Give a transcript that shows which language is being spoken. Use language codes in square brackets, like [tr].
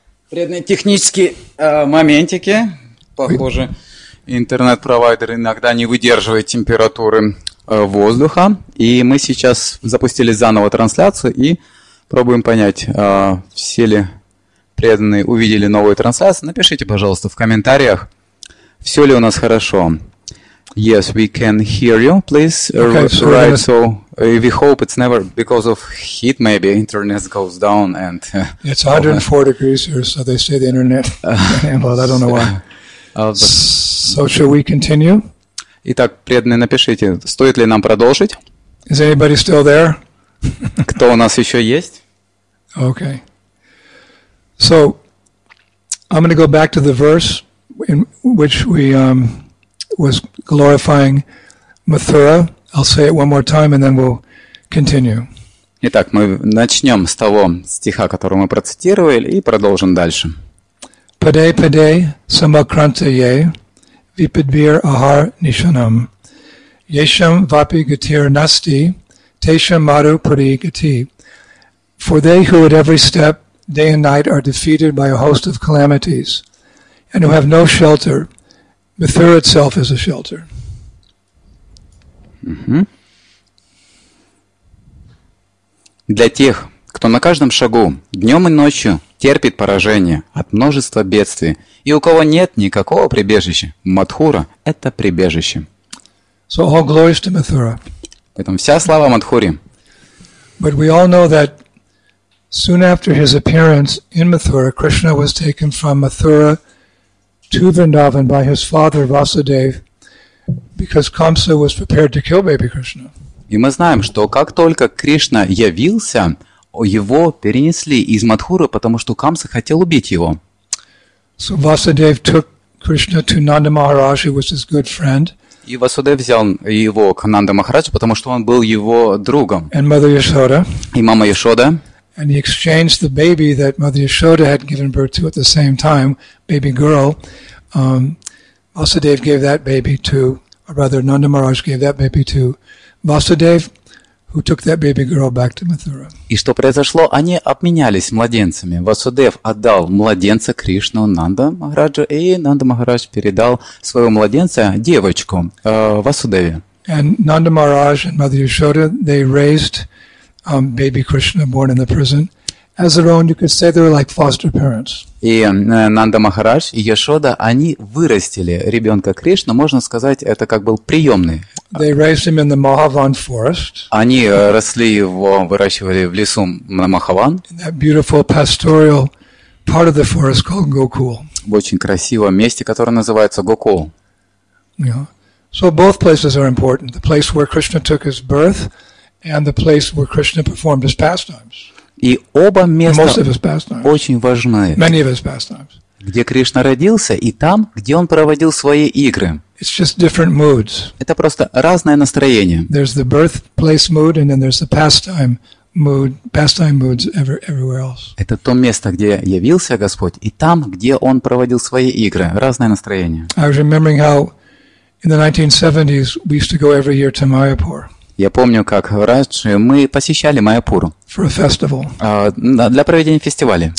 [ru] Преданные технические моментики. Похоже, интернет-провайдер иногда не выдерживает температуры воздуха. И мы сейчас запустили заново трансляцию и пробуем понять, все ли преданные увидели новую трансляцию. Напишите, пожалуйста, в комментариях, все ли у нас хорошо. [en] Yes, we can hear you, please. Okay, so, right, so we hope it's never because of heat, maybe internet goes down and... It's 104 degrees here, so they say the internet can't handle it, I don't know why. So shall we continue? [ru] Итак, преданные, напишите, стоит ли нам продолжить? [en] Is anybody still there? [ru] Кто у нас еще есть? [en] Okay. So, I'm going to go back to the verse in which we... was glorifying Mathura. I'll say it one more time, and then we'll continue. [ru] Итак, мы начнем с того стиха, который мы процитировали, и продолжим дальше. [sa] Паде паде самакрантае випидбир ахар нишанам ешам вапи гатир насти тешам мару пури гати. [en] For they who at every step, day and night, are defeated by a host of calamities, and who have no shelter, Mathura itself is a shelter. Mm-hmm. [ru] Для тех, кто на каждом шагу, днем и ночью, терпит поражение от множества бедствий, и у кого нет никакого прибежища, Мадхура – это прибежище. [en] So all glories to Mathura. [ru] Поэтому вся слава Мадхуре. [en] But we all know that soon after his appearance in Mathura, Krishna was taken from Mathura to Vrindavan by his father Vasudev, because Kamsa was prepared to kill baby Krishna. [ru] И мы знаем, что как только Кришна явился, его перенесли из Мадхуры, потому что Камса хотел убить его. [en] So Vasudev took Krishna to Nanda Maharaj, who was his good friend. [ru] И Васудев взял его к Нанда Махараджу, потому что он был его другом. [en] And Mother Yashoda. [ru] И мама Яшода. [en] And he exchanged the baby that Mother Yashoda had given birth to at the same time, baby girl. Vasudev gave that baby to, or rather, Nanda Maharaj gave that baby to Vasudev, who took that baby girl back to Mathura. [ru] И что произошло? Они обменялись младенцами. Васудев отдал младенца Кришну Нанда Махараджу, и Нанда Махарадж передал своего младенца девочку Васудеве. [en] And Nanda Maharaj and Mother Yashoda, they raised baby Krishna born in the prison as their own, you could say they were like foster parents. [ru] И Нанда Махарадж и Яшода, они вырастили ребенка Кришну, можно сказать, это как был приемный. [en] They raised him in the Mahavan forest. [ru] Они росли его, выращивали в лесу на Махаван. [en] In that beautiful pastoral part of the forest called Gokul. [ru] В очень красивом месте, которое называется Гокул. [en] Yeah. So both places are important. The place where Krishna took his birth and the place where Krishna performed his pastimes. [ru] И оба места, [en] most of his pastimes, [ru] очень важны. [en] Many of his pastimes. [ru] Где Кришна родился и там, где он проводил свои игры. [en] It's just different moods. [ru] Это просто разное настроение. [en] There's the birthplace mood and then there's the pastime mood, pastime moods everywhere else. [ru] Это то место, где явился Господь и там, где он проводил свои игры, разное настроение. [en] I was remembering how in the 1970s we used to go every year to Mayapur. [ru] Я помню, как раньше мы посещали Майяпуру для проведения фестиваля.